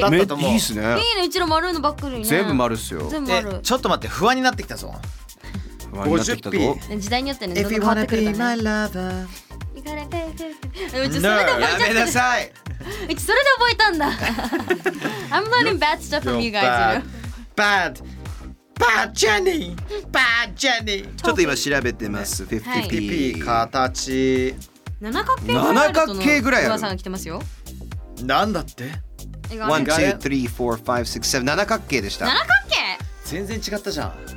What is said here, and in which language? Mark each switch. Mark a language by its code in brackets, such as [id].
[ja] だったと思う。いいっすね。いいね、うちの丸いのバッグにね。全部丸っすよ。全部丸。ちょっと待って、不安になってきたぞ。 50p。時代によってね、どんどん変わってくるからね。 [en] If you wanna be my lover you gotta pay for it. [ja] うち、それで覚えちゃった。うち、それで覚えたんだ。 [en] I'm learning bad stuff from you guys. Bad. Bad Jenny! Bad Jenny! [ja] ちょっと今調べてます。 50pp、はい、形。七角形ぐらいあるとの噂が来てますよ。なんだって ?1、2、3、4、5、6、7、七角形でした。七角形全然違ったじゃん。